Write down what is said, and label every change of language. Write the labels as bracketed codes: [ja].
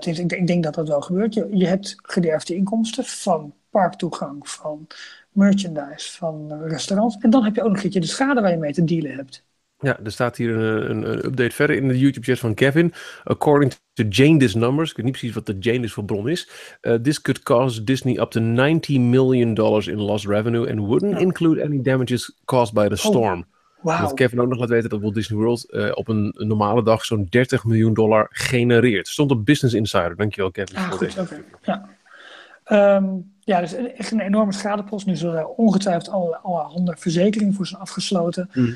[nl] Ik denk dat dat wel gebeurt. Je hebt gederfde inkomsten van parktoegang, van merchandise, van restaurants. En dan heb je ook nog een keer de schade waar je mee te dealen hebt. Ja, er staat hier een update verder in de YouTube-chat van Kevin. [en] According to Jane Dis numbers, [nl] ik weet niet precies wat de Jane Dis voor bron is. [en] This could cause Disney up to $90 million in lost revenue and wouldn't include any damages caused by the storm. Wow. [nl] Dat Kevin ook nog laat weten dat Walt Disney World op een normale dag zo'n $30 miljoen genereert. Stond op Business Insider. Dankjewel, Kevin. Ah, goed, oké. Okay. Ja. Ja, dus echt een enorme schadepost. Nu zullen er ongetwijfeld alle andere verzekeringen voor zijn afgesloten.